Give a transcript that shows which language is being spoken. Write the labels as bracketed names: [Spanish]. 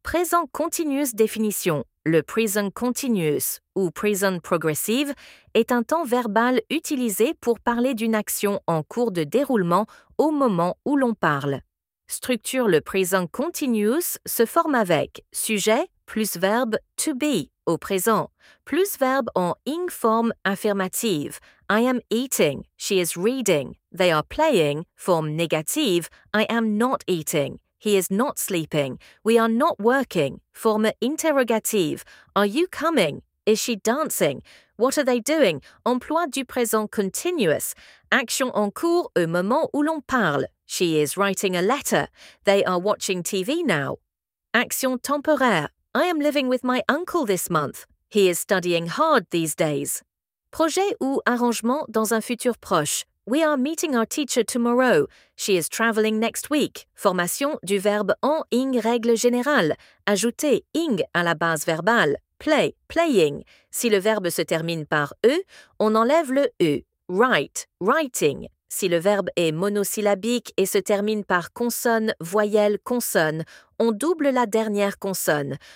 [French] Présent continuous définition. Le present continuous ou present progressive est un temps verbal utilisé pour parler d'une action en cours de déroulement au moment où l'on parle. Structure le present continuous se forme avec sujet plus verbe to be au présent, plus verbe en ing forme affirmative. [English] I am eating, she is reading, they are playing, [French] forme négative. [English] I am not eating. He is not sleeping. We are not working. [French] Forme interrogative. [English] Are you coming? Is she dancing? What are they doing? [French] Emploi du présent continuous. Action en cours au moment où l'on parle. [English] She is writing a letter. They are watching TV now. [French] Action temporaire. [English] I am living with my uncle this month. He is studying hard these days. [French] Projet ou arrangement dans un futur proche. [English] We are meeting our teacher tomorrow. She is traveling next week. [French] Formation du verbe en ing règle générale. Ajouter ing à la base verbale. [English] Play, playing. [French] Si le verbe se termine par e, on enlève le e. [English] Write, writing. [French] Si le verbe est monosyllabique et se termine par consonne, voyelle, consonne, on double la dernière consonne.